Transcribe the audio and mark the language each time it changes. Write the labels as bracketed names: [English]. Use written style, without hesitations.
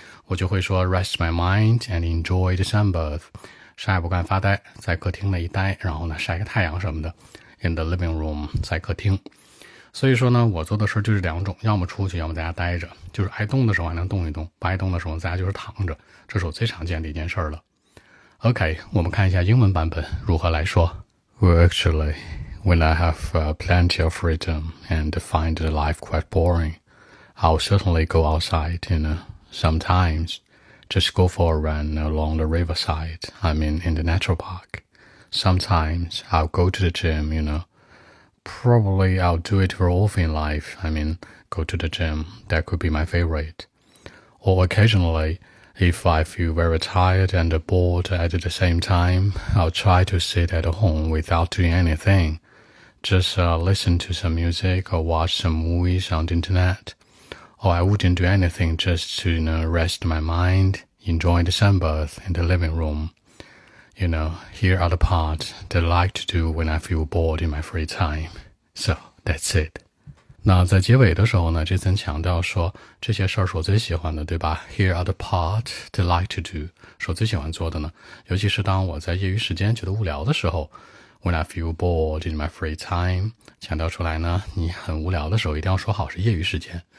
[Chinese] 我就会说 rest my mind and enjoy the sunbath, 啥也不干发呆，在客厅那一呆，然后呢晒个太阳什么的， in the living room, 在客厅。所以说呢，我做的事就是两种，要么出去，要么在家呆着，就是爱动的时候还能动一动，不爱动的时候在家就是躺着，这是我最常见的一件事了。 OK, 我们看一下英文版本如何来说。 [English] Well, actually, when I have plenty of freedom and find life quite boring, I'll certainly go outside, you knowSometimes, just go for a run along the riverside, I mean in the natural park. Sometimes, I'll go to the gym, you know. Probably, I'll do it very often in life, I mean, go to the gym, that could be my favorite. Or occasionally, if I feel very tired and bored at the same time, I'll try to sit at home without doing anything. Just listen to some music or watch some movies on the internet. Oh, I wouldn't do anything just to, you know, rest my mind, enjoy the sunbath in the living room. You know, here are the parts that I like to do when I feel bored in my free time. So, that's it. [Chinese] 那在结尾的时候呢，这层强调说这些事儿是我最喜欢的，对吧？ [English] Here are the parts that I like to do, 是我最喜欢做的呢。 [Chinese] 尤其是当我在业余时间觉得无聊的时候， When I feel bored in my free time, 强调出来呢，你很无聊的时候一定要说好是业余时间。